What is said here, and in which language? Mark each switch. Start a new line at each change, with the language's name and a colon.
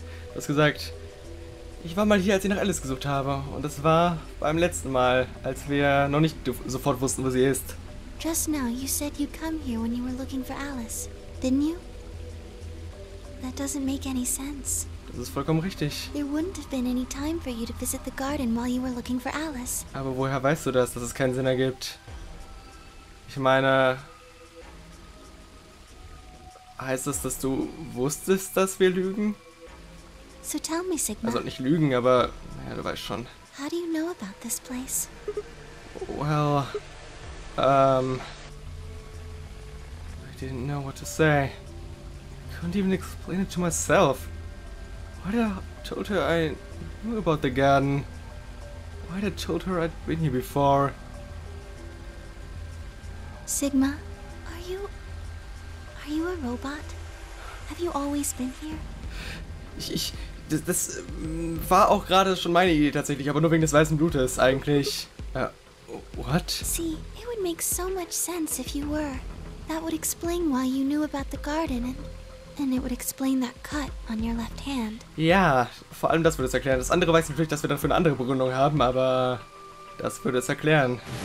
German: Du hast gesagt, ich war mal hier, als ich nach Alice gesucht habe. Und das war beim letzten Mal, als wir noch nicht sofort wussten, wo sie ist.
English: Just now, you said you'd come here when you were looking for Alice, didn't you? That doesn't make any sense.
German: Das ist vollkommen richtig.
English: There wouldn't have been any time for you to visit the garden while you were looking for Alice.
German: Aber woher weißt du das, dass es keinen Sinn ergibt? Ich meine... heißt das, dass du wusstest, dass wir lügen?
English: So tell me, Sigma.
German: Also nicht lügen, aber naja, du weißt schon.
English: How do you know about this place? Well, I didn't know what to say. I couldn't even explain it to myself. Why'd I told her I knew about the garden? Why'd I told her I'd been here before? Sigma, are you a robot? Have you always been here?
German: Das war auch gerade schon meine Idee tatsächlich, aber nur wegen des weißen Blutes eigentlich.
English: What? See, it would make so much sense if you were. That would explain why you knew about the garden and it would explain that cut on your left hand.
German: Ja, vor allem das würde es erklären. Das andere weiß natürlich, dass wir dafür eine andere Begründung haben, aber das würde es erklären.